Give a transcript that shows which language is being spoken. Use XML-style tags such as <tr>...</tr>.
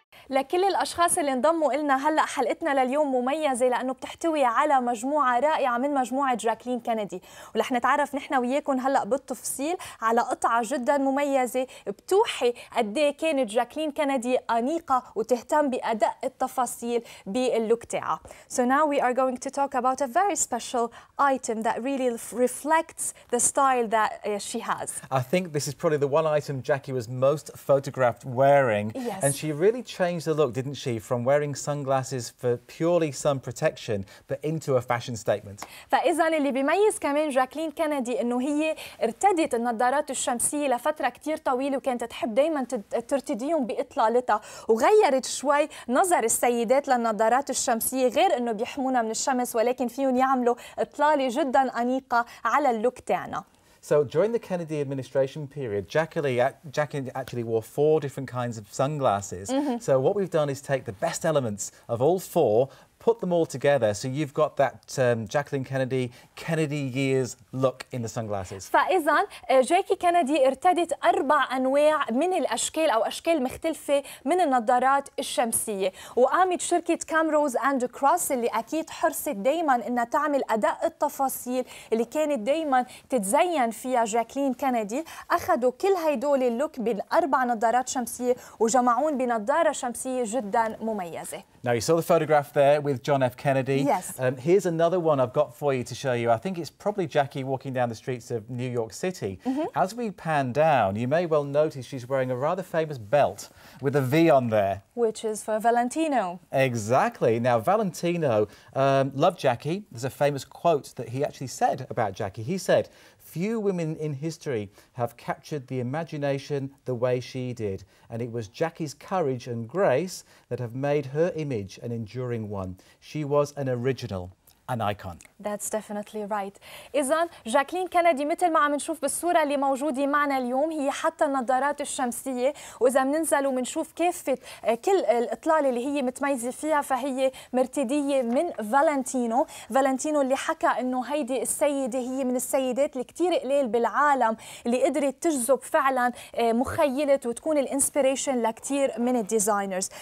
<ar>لكل الأشخاص اللي انضموا إلنا هلأ حلقتنا لليوم مميزة لأنه بتحتوي على مجموعة رائعة من مجموعة جاكلين كينيدي ولح نتعرف نحن وياكم هلأ بالتفصيل على قطعة جدا مميزة بتوحي قدي كانت جاكلين كينيدي أنيقة وتهتم بأدق التفاصيل باللوك تاعها.</ar> <en>So now we are going to talk about a very special item that really reflects the style that she has. I think this is probably the one item Jackie was most photographed wearing. Yes. And she really changed the look, didn't she, from wearing sunglasses for purely sun protection, but into a fashion statement.</en> <ar>فإذا اللي بيميز كمان جاكلين كينيدي إنه هي ارتدت النظارات الشمسية لفترة كتير طويلة وكانت تحب دائما ترتديهم بإطلالتها وغيرت شوي نظر السيدات للنظارات الشمسية غير إنه بيحمونا من الشمس ولكن فيهم يعملوا إطلالة جدا أنيقة على اللوك تاعنا.</ar> <en>So during the Kennedy administration period, Jacqueline actually wore four different kinds of sunglasses. Mm-hmm. So what we've done is take the best elements of all four, put them all together so you've got that Jacqueline Kennedy years look in the sunglasses.</en> <ar>فإذا جاكي كينيدي ارتدت أربع أنواع من الأشكال أو أشكال مختلفة من النظارات الشمسية وقامت شركة كامروز أند كروس اللي أكيد حرصت دايما إنها تعمل أداء التفاصيل اللي كانت دايما تتزين فيها جاكلين كينيدي أخذوا كل هيدول اللوك بالأربع نظارات شمسية وجمعون بنظارة شمسية جدا مميزة.</ar> <en>Now you saw the photograph there with John F. Kennedy. Yes. Here's another one I've got for you to show you. I think it's probably Jackie walking down the streets of New York City. Mm-hmm. As we pan down, you may well notice she's wearing a rather famous belt with a V on there. Which is for Valentino. Exactly. Now, Valentino loved Jackie. There's a famous quote that he actually said about Jackie. He said, "Few women in history have captured the imagination the way she did, and it was Jackie's courage and grace that have made her image an enduring one. She was an original." an icon. That's definitely right.</en> <ar>إذن جاكلين كينيدي مثل ما عم نشوف بالصورة اللي موجودة معنا اليوم هي حتى النظارات الشمسية، وإذا مننزل ومنشوف كافة كل الإطلالة اللي هي متميزة فيها فهي مرتدية من فالنتينو. فالنتينو اللي حكى إنه هيدي السيدة هي من السيدات اللي كتير قليل بالعالم اللي قدرت تجذب فعلا مخيلة وتكون الانسبيريشن لكتير من الديزاينرز.</ar>